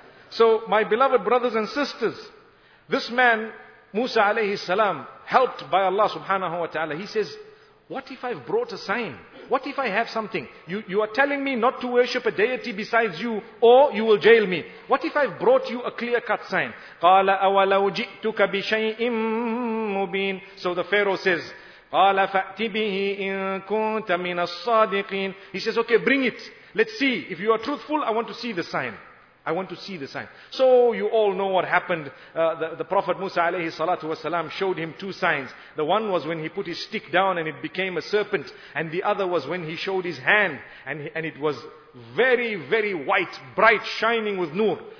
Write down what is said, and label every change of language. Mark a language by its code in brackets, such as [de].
[en] So, my beloved brothers and sisters, this man, Musa alayhi salam, helped by Allah subhanahu wa ta'ala, he says, what if I've brought a sign? What if I have something? You are telling me not to worship a deity besides you, or you will jail me. What if I've brought you a clear-cut sign? [ar] قَالَ أَوَلَوْ جِئْتُكَ بِشَيْءٍ مُّبِينٍ [en] So the Pharaoh says, [ar] قَالَ فَأْتِ بِهِ إِن كُنْتَ مِنَ الصَّادِقِينَ [en] He says, okay, bring it. Let's see. If you are truthful, I want to see the sign. I want to see the sign. So you all know what happened. The Prophet Musa alayhi salatu wasalam showed him two signs. The one was when he put his stick down and it became a serpent. And the other was when he showed his hand. And it was very, very white, bright, shining with nur.